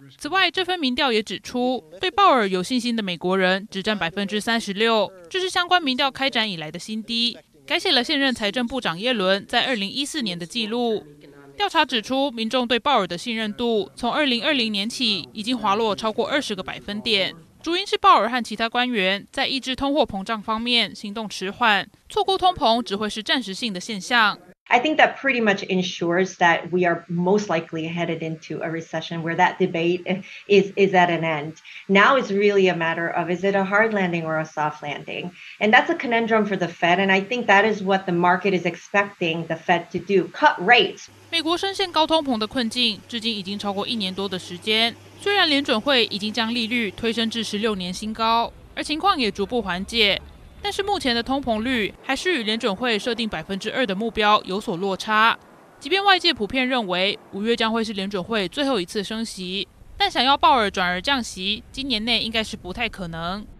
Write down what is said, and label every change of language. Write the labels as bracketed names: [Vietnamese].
[Chinese] 此外，这份民调也指出，对鲍尔有信心的美国人只占36%，这是相关民调开展以来的新低，改写了现任财政部长耶伦在2014年的记录。调查指出，民众对鲍尔的信任度从2020年起已经滑落超过20%，主因是鲍尔和其他官员在抑制通货膨胀方面行动迟缓，错估通膨只会是暂时性的现象。 [English] I think that pretty much ensures that we are most likely headed into a recession where that debate is at an end. Now it's really a matter of, is it a hard landing or a soft landing? And that's a conundrum for the Fed. And I think that is what the market is expecting the Fed to do, cut rates. [Chinese] 美国深陷高通膨的困境至今已经超过1年多的时间。虽然联准会已经将利率推升至16年新高，而情况也逐步缓解，但是目前的通膨率还是与联准会设定2%的目标有所落差。即便外界普遍认为五月将会是联准会最后一次升息，但想要鲍尔转而降息，今年内应该是不太可能。